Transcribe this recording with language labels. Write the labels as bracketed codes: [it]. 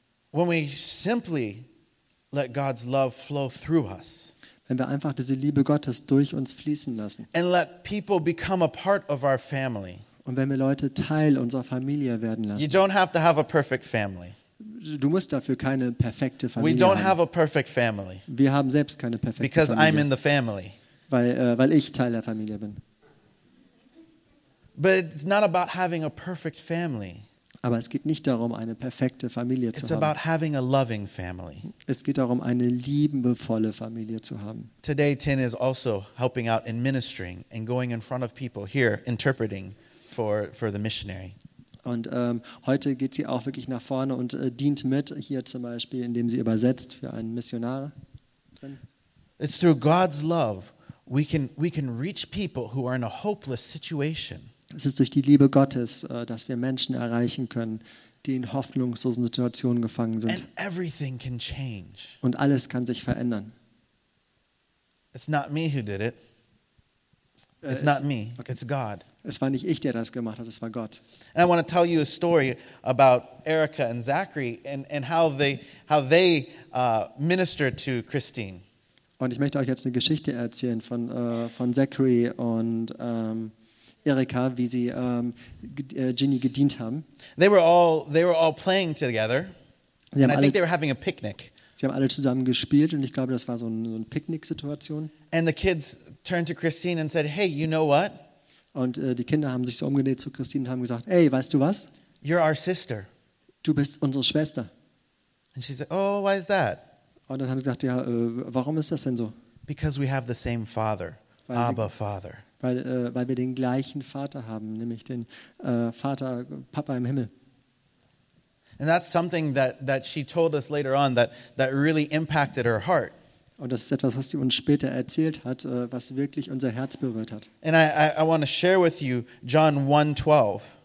[en] When we simply let God's love flow through us, [de] wenn wir einfach diese Liebe Gottes durch uns fließen lassen, [en] and let people become a part of our family, [de] und wenn wir Leute Teil unserer Familie werden lassen, [en] you don't have to have a perfect family. [de] Du musst dafür keine perfekte Familie haben. [en] We don't have a perfect family. [de] Wir haben selbst keine perfekte [en] because [de] Familie. [en] Because I'm in the family. [de] Weil ich Teil der Familie bin. [en] But it's not about having a perfect family. [de] Aber es geht nicht darum, eine perfekte Familie zu [en] It's [de] haben. [en] About having a loving family. [de] Es geht darum, eine liebevolle Familie zu haben. [en] Today Tin is also helping out in ministering and going in front of people here interpreting for the missionary. [de] Und heute geht sie auch wirklich nach vorne und dient mit hier zum Beispiel, indem sie übersetzt für einen Missionar. [en] It's through God's love we can reach people who are in a hopeless situation. [de] Es ist durch die Liebe Gottes, dass wir Menschen erreichen können, die in hoffnungslosen Situationen gefangen sind. [en] And everything can change. [de] Und alles kann sich verändern. [en] It's not me who did it. It's not me. Okay. It's God. [de] Es war nicht ich, der das gemacht hat. Es war Gott. [en] And I want to tell you a story about Erica and Zachary and how they ministered to Christine. [de] Und ich möchte euch jetzt eine Geschichte erzählen von Zachary und Erika, wie sie Ginny gedient haben. [en] They were all playing together. [de] Sie haben [en] and I think they were having a picnic. [de] Sie haben alle zusammen gespielt und ich glaube, das war so eine Picknick-Situation. [en] And the kids turned to Christine and said, "Hey, you know what?" [de] Und die Kinder haben sich so umgedreht zu Christine und haben gesagt, "Hey, weißt du was? [en] You're our sister. [de] Du bist unsere Schwester." [en] And she said, "Oh, why is that?" [de] Und dann haben sie gesagt, ja, warum ist das denn so? [en] Because we have the same father, Abba Father. [de] weil wir den gleichen Vater haben, nämlich den Vater, Papa im Himmel. [en] And that's something that she told us later on that really impacted her heart. [de] Und das ist etwas, was sie uns später erzählt hat, was wirklich unser Herz berührt hat. [en] And I want to share with you John 1:12.